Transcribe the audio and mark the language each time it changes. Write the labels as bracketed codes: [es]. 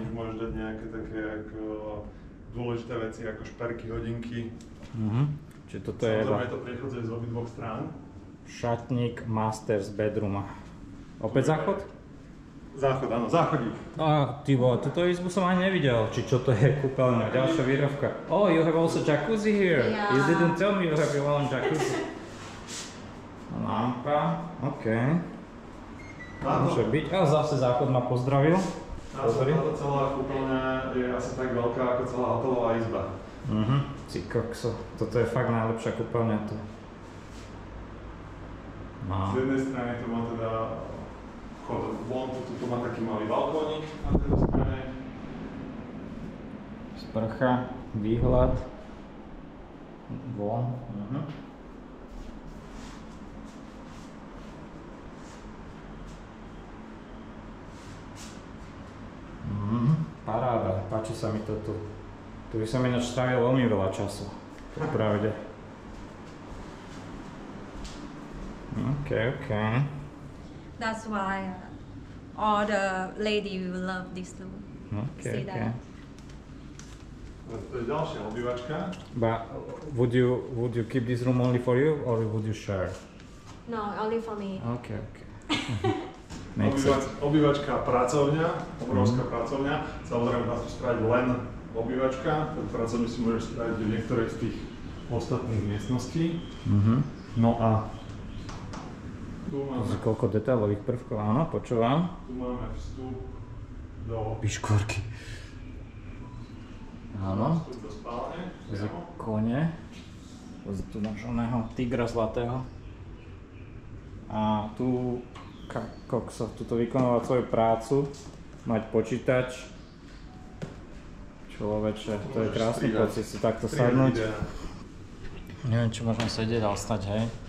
[sk] Si môžeš dať nejaké také ako dôležité veci, ako šperky, hodinky. Uh-huh. Čiže toto je... Samozrejme to prechádza z obi dvoch strán. Šatník [en] master's bedroom. [sk] Opäť záchod? Záchod, áno, záchodík. Á, ty vole, túto izbu som ani nevidel, či čo to je kúpeľňa, ďalšia výrovka. [en] Oh, you have also jacuzzi here. Yeah. You didn't tell me you have your own jacuzzi. [sk] Lampa, okej. [en] Okay. [sk] Môže byť, a zase záchod ma pozdravil. Táto celá kúpeľňa je asi tak veľká ako celá hotelová izba. Ty kokso, toto je fakt najlepšia kúpeľňa tu. No. Z jednej strany to má teda... Tu má taký malý balkónik na tej strane. Sprcha, výhľad. Von. Uh-huh. Paráda, páči sa mi to tu. Tu by som ináč strávil veľmi veľa času. Popravde. [en] OK. That's why. All the lady will love this room. Okay. See okay. That. [sk] To je ďalšia obývačka. [en] But would you keep this room only for you or would you share? No, only for me. Okay. [sk] Obývačka, pracovňa, obrovská pracovňa. Samozrejme, dá sa spraviť len obývačka. Pracovňu si môžeš spraviť v niektorej z tých ostatných miestností. Mm-hmm. No a z koľko detailových prvkov, áno, počúvam. Tu máme vstup do... Piškvorky. Áno. Vstup do spálne. Z kone. Z tu našeho tigra zlatého. A tu... Kokso, tuto vykonávať svoju prácu. Mať počítač. Človeče, to je krásny pocit si takto sadnúť. Neviem, či môžem sedieť, ale stať, hej.